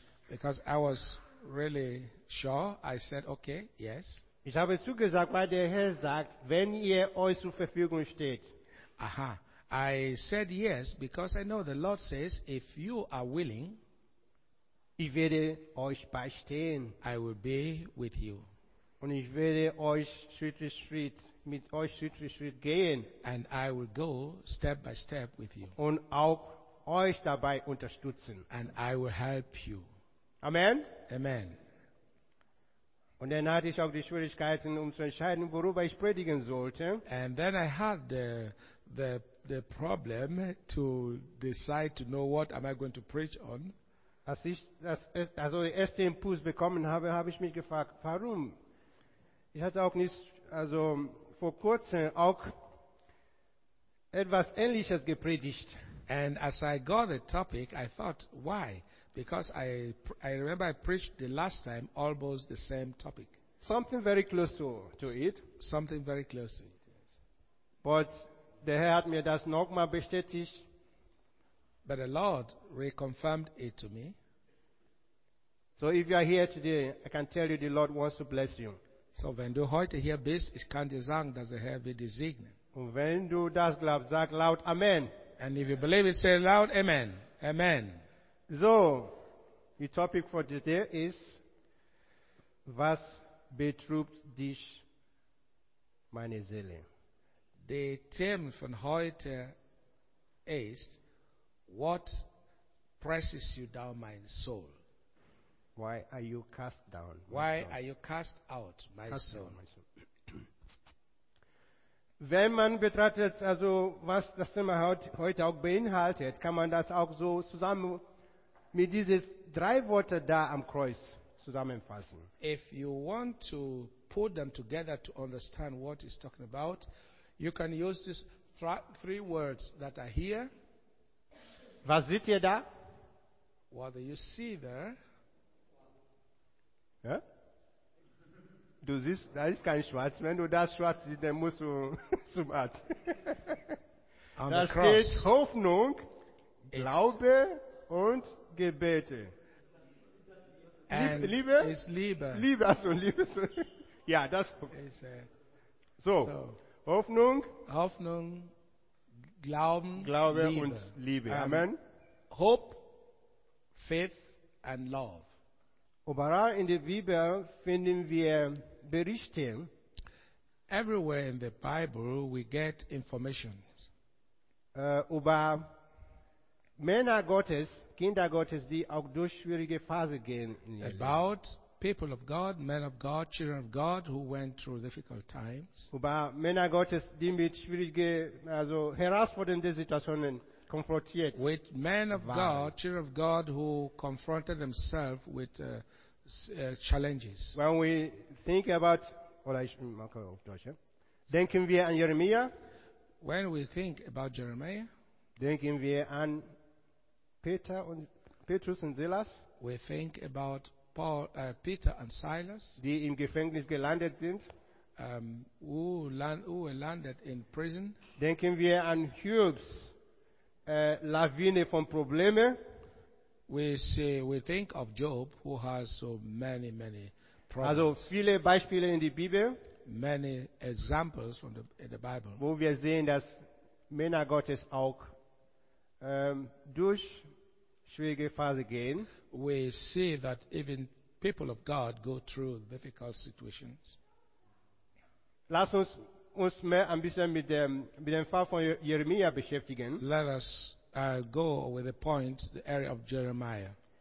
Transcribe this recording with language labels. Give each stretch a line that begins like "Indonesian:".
English: Because I was really sure, I said, okay, yes.
German: Ich habe zugesagt, weil der Herr sagt, wenn ihr euch zur Verfügung steht. Aha.
English: I said yes, because I know the Lord says, if you are willing,
German: ich werde euch beistehen.
English: I will be with you.
German: Und ich werde euch Schritt für Schritt, mit euch Schritt für Schritt gehen.
English: And I will go step by step with you.
German: Und auch euch dabei unterstützen.
English: And I will help you. Amen. Amen.
German: Und dann hatte ich auch die Schwierigkeiten, um zu entscheiden, worüber ich predigen sollte.
English: And then I had the problem to decide to know what am I going to preach on.
German: Als ich den ersten Impuls bekommen habe, habe ich mich gefragt, warum? Ich hatte auch nicht, also vor kurzem auch etwas Ähnliches gepredigt.
English: And as I got the topic, I thought, why? Because I remember I preached the last time almost the same topic. Something very close to it. Something very close to it.
German: But der Herr hat mir das nochmal bestätigt.
English: But the Lord reconfirmed it to me. So if you are here today, I can tell you the Lord wants to bless you.
German: So wenn du heute hier bist, ich kann dir sagen, dass der Herr will dich segnen. Und wenn du das glaubst, sag laut Amen.
English: And if you believe it, say loud Amen. Amen. So, the topic for today is,
German: was betrübt dich, meine Seele?
English: The theme
German: von heute ist,
English: what presses you down, my soul? Why are you cast down? Why are you cast out, my soul?
German: Wenn man betrachtet, also was das Thema heute auch beinhaltet, kann man das auch so zusammen mit dieses drei Worte da am Kreuz zusammenfassen.
English: If you want to put them together to understand what he's talking about, you can use these three words that are here.
German: Was seht ihr da?
English: What do you see there?
German: Ja? Du siehst, da ist kein Schwarz. Wenn du das Schwarz siehst, dann musst du zum Arzt.
English: On
German: das
English: the cross,
German: geht Hoffnung, Glaube und Gebete. Liebe? Ist Liebe. Liebe, also Liebe. Ja, das ist so. Hoffnung. Hoffnung, Glauben, Glaube Liebe. Und Liebe. Amen.
English: Hope, Faith and Love.
German: Überall in der Bibel finden wir Berichte.
English: Everywhere in the Bible we get information.
German: Über Männer Gottes, Kinder Gottes, die auch durch schwierige Phasen gehen.
English: About people of God, men of God, children of God who went through difficult times.
German: Über Männer Gottes, die mit schwierigen, also herausfordernden Situationen konfrontiert.
English: With men of God, children of God who confronted themselves with challenges. When we think about,
German: oder ich mache auf Deutsch, denken wir an Jeremia.
English: When we think about Jeremiah,
German: Denken wir an Peter und Petrus und Silas.
English: We think about Paul, Peter and Silas,
German: die im Gefängnis gelandet sind.
English: Who landed in prison.
German: Denken wir an Hiobs Lawine von Probleme.
English: We think of Job, who has so many problems.
German: Also viele Beispiele in die Bibel.
English: Many examples from in the Bible.
German: Wo wir sehen, dass Männer Gottes auch durch schwierige Phase gehen.
English: We see that even people of God go through difficult situations.
German: Lass uns mehr ein bisschen mit dem Fall von Jeremia beschäftigen.
English: Let us go with the point, the area of Jeremiah.